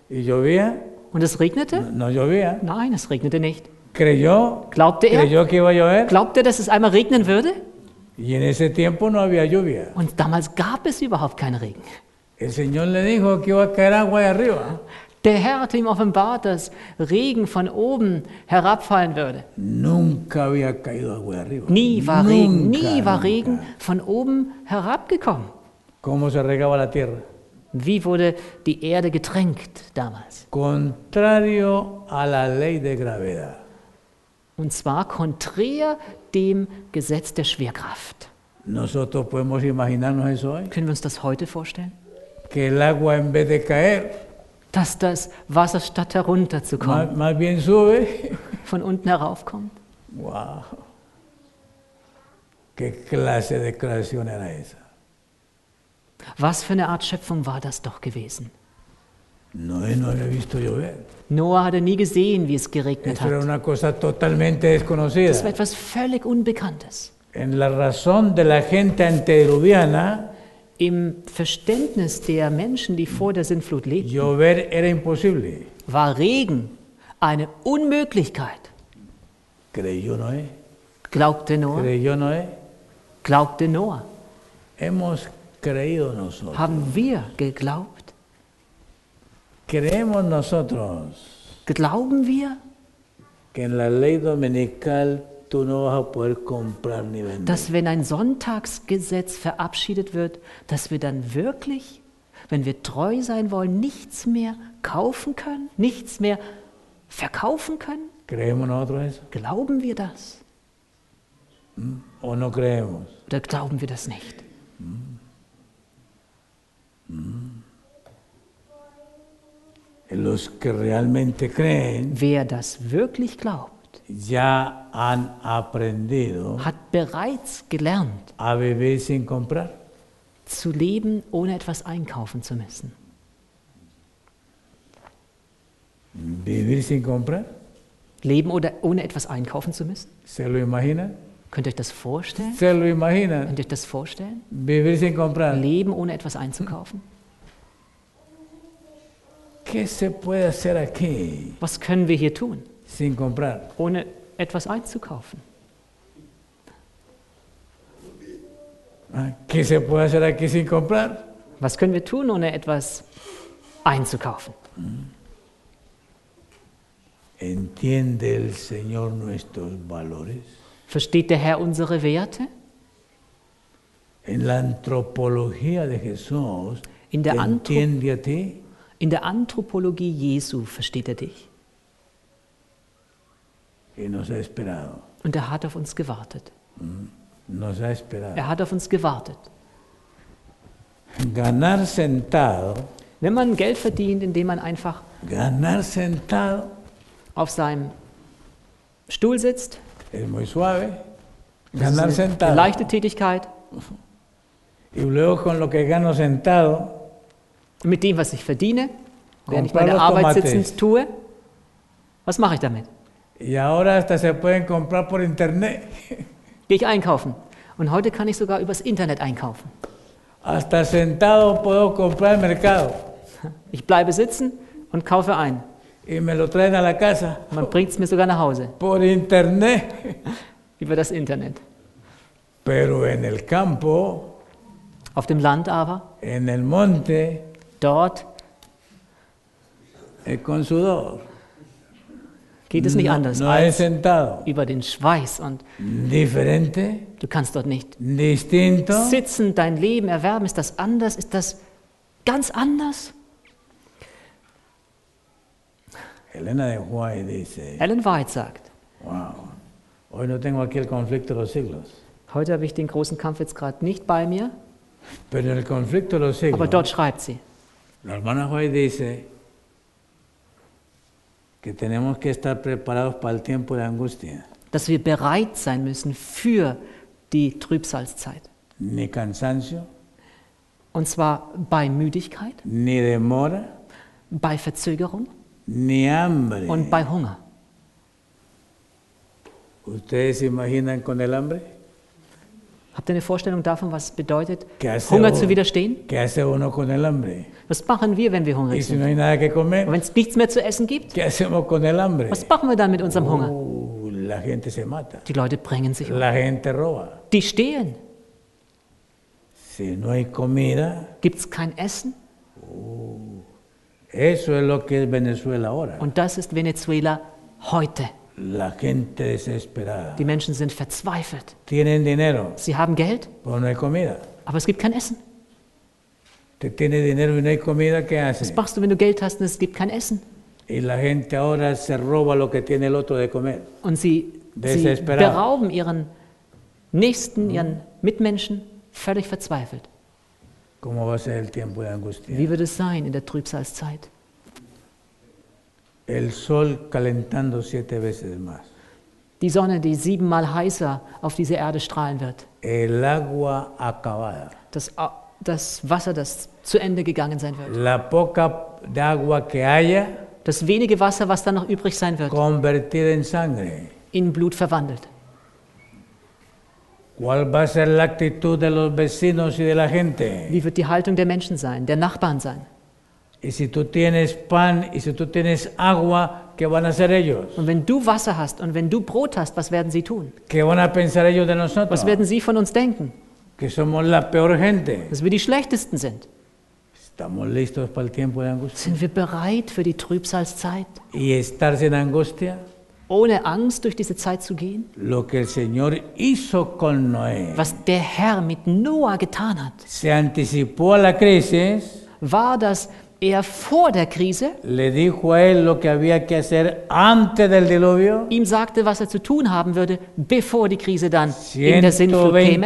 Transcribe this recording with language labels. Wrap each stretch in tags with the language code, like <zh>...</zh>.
<es>Y llovía?</es> <de>Und es regnete?</de> <es>No llovía.</es> <de>Nein, es regnete nicht.</de> <es>Creyó?</es> <de>Glaubte er?</de> <es>Creyó que iba a llover?</es> <de>Glaubte er, dass es einmal regnen würde?</de> <es>Y en ese tiempo no había lluvia.</es> <de>Und damals gab es überhaupt keinen Regen.</de> <es>El Señor le dijo que iba a caer agua de arriba.</es> <de>Der Herr hatte ihm offenbart, dass Regen von oben herabfallen würde.</de> <es>Nunca había caído agua arriba.</es> <de>Nie war</de> <es>nunca,</es> <de>Regen, nie war nunca. Regen von oben herabgekommen.</de> <es>¿Cómo se regaba la tierra?</es> <de>Wie wurde die Erde getränkt damals?</de> <es>Contrario a la ley de gravedad.</es> <de>Und zwar konträr dem Gesetz der Schwerkraft.</de> <es>Nosotros podemos imaginarnos eso hoy.</es> <de>Können wir uns das heute vorstellen?</de> <es>Que el agua en vez de caer,</es> <de>dass das Wasser statt herunterzukommen</de> <es>mal bien sube,</es> <de>von unten heraufkommt. Wow.</de> <es>Qué clase de creación era esa.</es> <de>Was für eine Art Schöpfung war das doch gewesen?</de> <es>No había visto llover.</es> <de>Noah hatte nie gesehen, wie es geregnet hat.</de> <es>Era una cosa totalmente desconocida.</es> <de>Das war etwas völlig Unbekanntes.</de> <es>En la razón de la gente antediluviana,</es> <de>im Verständnis der Menschen, die vor der Sintflut lebten,</de> <es>llover era imposible.</es> <de>War Regen eine Unmöglichkeit.</de> <es>Creyó Noé.</es> <de>Glaubte Noah.</de> <es>Creyó Noé.</es> <de>Glaubte Noah.</de> <es>Hemos creído nosotros.</es> <de>Haben wir geglaubt?</de> <es>Creemos nosotros.</es> <de>Glauben wir?</de> <es>Que en la ley dominical tú no vas a poder comprar ni vender.</es> <de>Dass wenn ein Sonntagsgesetz verabschiedet wird, dass wir dann wirklich, wenn wir treu sein wollen, nichts mehr kaufen können, nichts mehr verkaufen können?</de> <es>Creemos nosotros eso?</es> <de>Glauben wir das?</de> <es>O no creemos?</es> <de>Oder glauben wir das nicht?</de> <es>Los que realmente creen,</es> <de>wer das wirklich glaubt,</de> <es>ya han aprendido,</es> <de>hat bereits gelernt,</de> <es>a vivir sin comprar,</es> <de>zu leben, ohne etwas einkaufen zu müssen.</de> <es>Vivir sin comprar?</es> <de>Leben oder ohne etwas einkaufen zu müssen?</de> <es>Se lo imagina?</es> <de>Könnt ihr euch das vorstellen?</de> <es>Se lo imagina?</es> <de>Könnt ihr euch das vorstellen?</de> <es>Vivir sin comprar?</es> <de>Leben ohne etwas einzukaufen?</de> <es>¿Qué se puede hacer aquí?</es> <de>Was können wir hier tun?</de> <es>Sin comprar.</es> <de>Ohne etwas einzukaufen.</de> <es>¿Qué se puede hacer aquí sin comprar?</es> <de>Was können wir tun, ohne etwas einzukaufen?</de> <es>¿Entiende el Señor nuestros valores?</es> <de>Versteht der Herr unsere Werte?</de> <es>En la antropología de Jesús, ¿entiende a ti?</es> <de>In der Anthropologie Jesu versteht er dich.</de> <es>Y nos ha esperado.</es> <de>Und er hat auf uns gewartet.</de> <es>Nos ha esperado.</es> <de>Er hat auf uns gewartet.</de> <es>Ganar sentado.</es> <de>Wenn man Geld verdient, indem man einfach</de> <es>ganar sentado,</es> <de>auf seinem Stuhl sitzt,</de> <es>es muy suave. Ganar</es> <de>ist eine</de> <es>sentado.</es> <de>Leichte Tätigkeit.</de> <es>Y luego con lo que gano sentado,</es> <de>mit dem, was ich verdiene, wenn ich meine Arbeit sitzend tue, was mache ich damit?</de> <es>Y ahora hasta se pueden comprar por internet.</es> <de>Gehe ich einkaufen. Und heute kann ich sogar übers Internet einkaufen.</de> <es>Hasta sentado puedo comprar el mercado.</es> <de>Ich bleibe sitzen und kaufe ein.</de> <es>Y me lo traen a la casa.</es> <de>Man bringt es mir sogar nach Hause.</de> <es>Por internet.</es> <de>Über das Internet.</de> <es>Pero en el campo,</es> <de>auf dem Land aber,</de> <es>en el monte,</es> <de>dort,</de> <es>con sudor,</es> <de>geht es nicht anders</de> <es>no</es> <de>als</de> <es>sentado,</es> <de>über den Schweiß. Und</de> <es>diferente,</es> <de>du kannst dort nicht</de> <es>distinto,</es> <de>sitzen, dein Leben erwerben. Ist das anders? Ist das ganz anders?</de> <es>Elena de Huay dice,</es> <de>Ellen White sagt,</de> <es>wow, hoy no tengo aquí el conflicto de los siglos.</es> <de>Heute habe ich den großen Kampf jetzt gerade nicht bei mir.</de> <es>Pero el conflicto de los siglos,</es> <de>aber dort schreibt sie.</de> <es>La hermana Huay dice que tenemos que estar preparados para el tiempo de angustia.</es> <de>Dass wir bereit sein müssen für die Trübsalzeit.</de> <es>Ni cansancio.</es> <de>Und zwar bei Müdigkeit.</de> <es>Ni demora.</es> <de>Bei Verzögerung.</de> <es>Ni hambre.</es> <de>Und bei Hunger.</de> <es>¿Ustedes se imaginan con el hambre?</es> <de>Habt ihr eine Vorstellung davon, was bedeutet, Hunger zu widerstehen?</de> <es>¿Qué hace uno con el hambre?</es> <de>Was machen wir, wenn wir hungrig</de> <es>y</es> <de>sind?</de> <es>No hay nada que comer?</es> <de>Wenn es nichts mehr zu essen gibt?</de> <es>¿Qué hacemos con el hambre?</es> <de>Was machen wir dann mit unserem Hunger?</de> <es>La gente se mata.</es> <de>Die Leute bringen sich um.</de> <es>La gente roba.</es> <de>Die stehlen.</de> <es>Si no hay comida,</es> <de>gibt's kein Essen?</de> <es>Eso es lo que es Venezuela ahora.</es> <de>Und das ist Venezuela heute.</de> <es>La gente desesperada.</es> <de>Die Menschen sind verzweifelt.</de> <es>Tienen dinero.</es> <de>Sie haben Geld.</de> <es>Pero no hay comida.</es> <de>Aber es gibt kein Essen.</de> <es>Te tiene dinero y no hay comida, ¿qué haces?</es> <de>Was machst du, wenn du Geld hast und es gibt kein Essen?</de> <es>Y la gente ahora se roba lo que tiene el otro de comer.</es> <de>Und sie berauben ihren Nächsten, ihren Mitmenschen, völlig verzweifelt.</de> <es>¿Cómo va a ser el tiempo de angustia?</es> <de>Wie wird es sein in der Trübsalzeit?</de> <es>El sol calentando siete veces más.</es> <de>Die Sonne, die 7-mal heißer auf diese Erde strahlen wird.</de> <es>El agua acabada.</es> <de>Das Wasser, das zu Ende gegangen sein wird.</de> <es>La poca de agua que haya,</es> <de>das wenige Wasser, was dann noch übrig sein wird.</de> <es>Convertir en sangre.</es> <de>In Blut verwandelt.</de> <es>¿Cuál va a ser la actitud de los vecinos y de la gente?</es> <de>Wie wird die Haltung der Menschen sein, der Nachbarn sein?</de> <es>Y si tú tienes pan y si tú tienes agua, ¿qué van a hacer ellos?</es> <de>Und wenn du Wasser hast und wenn du Brot hast, was werden sie tun?</de> <es>¿Qué van a pensar ellos de nosotros?</es> <de>Was werden sie von uns denken?</de> <es>Que somos la peor gente.</es> <de>Dass wir die schlechtesten sind.</de> <es>Estamos listos para el tiempo de angustia.</es> <de>Sind wir bereit für die Trübsalzeit?</de> <es>Y estar sin angustia.</es> <de>Ohne Angst durch diese Zeit zu gehen.</de> <es>Lo que el Señor hizo con Noé.</es> <de>Was der Herr mit Noah getan hat.</de> <es>Se anticipó a la crisis.</es> <de>War das er vor der Krise ihm sagte, was er zu tun haben würde, bevor die Krise dann in der Sintflut käme.</de>